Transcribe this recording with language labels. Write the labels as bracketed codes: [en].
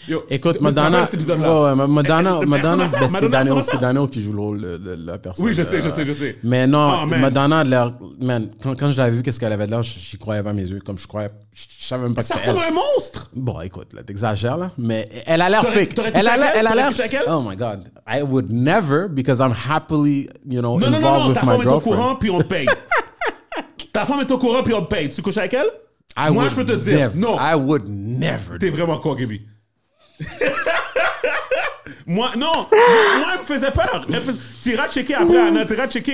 [fr] Écoute, Madonna, c'est Daniel qui joue le rôle de la personne. Oui, je sais. Mais non, Madonna, quand je l'avais vu, qu'est-ce qu'elle avait de l'air, j'y croyais pas à mes yeux, comme je savais même pas que c'était elle. Ça ressemble à un monstre! Bon, écoute, là, t'exagères, là, mais elle a l'air fake. T'aurais touché à elle? [en] Oh my God, I would never, because I'm happily, involed with my girlfriend. [fr] Non, ta femme est au courant, puis on te paye. Ta femme est au courant, puis on te paye. Tu couches avec elle? Moi, je peux te dire, non. [en] I would never. [fr] T'es vraiment con, Gabi. Moi, non. Moi, elle me faisait peur. T'iras checker après, Anna. T'iras checker.